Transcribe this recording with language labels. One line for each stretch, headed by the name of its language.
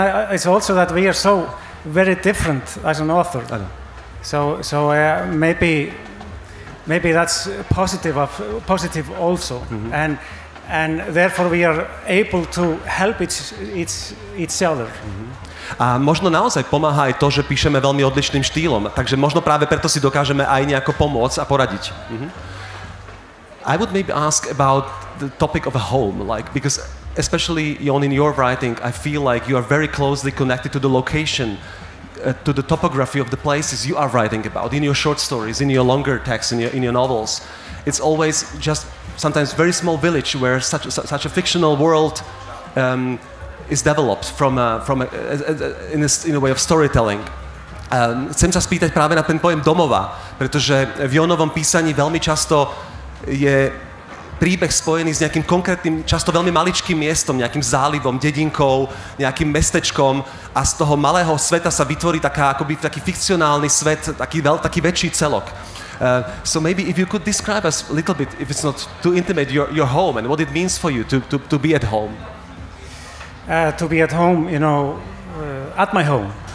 English: It's also that we are so very different as an author. So maybe that's positive also. And therefore we are able to help each other.
Slovak: A možno naozaj pomáha aj to, že píšeme veľmi odlišným štýlom, takže možno práve preto si dokážeme aj nejako pomôcť a poradiť.
English: I would maybe ask about the topic of a home, like, because especially Jón, in your writing I feel like you are very closely connected to the location, to the topography of the places you are writing about in your short stories, in your longer texts, in your novels. It's always just sometimes very small village where such a fictional world is developed from a way of storytelling.
Slovak: Chcem sa spýtať práve na ten pojem domova, pretože v Jónovom písaní veľmi často je príbeh spojený s nejakým konkrétnym, často veľmi maličkým miestom, nejakým zálivom, dedinkou, nejakým mestečkom a z toho malého sveta sa vytvorí taká, akoby taký fikcionálny svet, taký väčší celok.
English: So maybe if you could describe us a little bit, if it's not too intimate, your home and what it means for you to be at home. To be at home, you know, at my home.